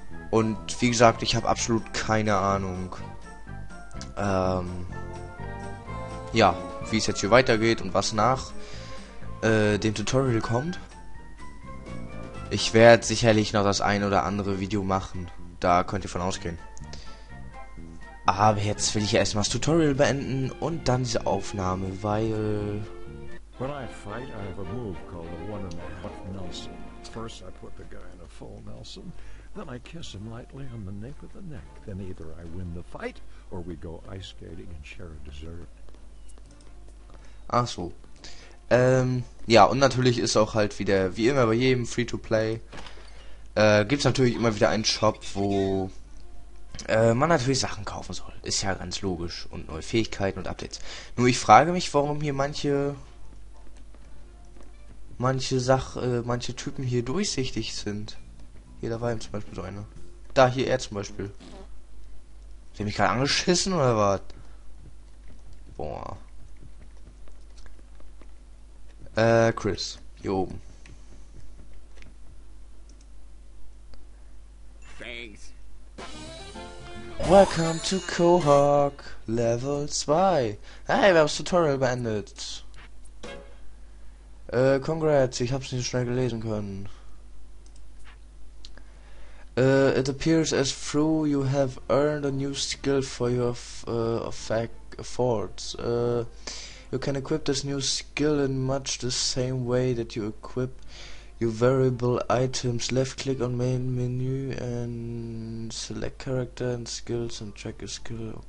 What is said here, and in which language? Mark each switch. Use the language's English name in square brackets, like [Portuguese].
[German] Und wie gesagt, ich habe absolut keine Ahnung. Ja, wie es jetzt hier weitergeht und was nach dem Tutorial kommt. Ich werde sicherlich noch das ein oder andere Video machen. Da könnt ihr von ausgehen. Aber jetzt will ich ja erstmal das Tutorial beenden und dann diese Aufnahme, weil... [English] When I fight, I have a move called the one and a half Nelson. First I put the guy in a full Nelson, then I kiss him lightly on the nape of the neck. Then either I win the fight or we go ice skating and share a dessert. [German] Ach so. Ja, und natürlich ist auch halt wieder, wie immer bei jedem Free-to-Play, gibt's natürlich immer wieder einen Shop, wo man natürlich Sachen kaufen soll. Ist ja ganz logisch. Und neue Fähigkeiten und Updates. Nur ich frage mich, warum hier manche Typen hier durchsichtig sind. Hier, da war ihm zum Beispiel so einer. Da, hier er zum Beispiel. Hat er mich gerade angeschissen oder was? Boah. Chris, hier oben. [English] Thanks. Welcome to Quahog Level 2. [German] Hey, wir haben das Tutorial beendet. Congrats, ich hab's nicht so schnell gelesen können. [English] It appears as though you have earned a new skill for your efforts. You can equip this new skill in much the same way that you equip your variable items. Left click on main menu and select character and skills and track a skill.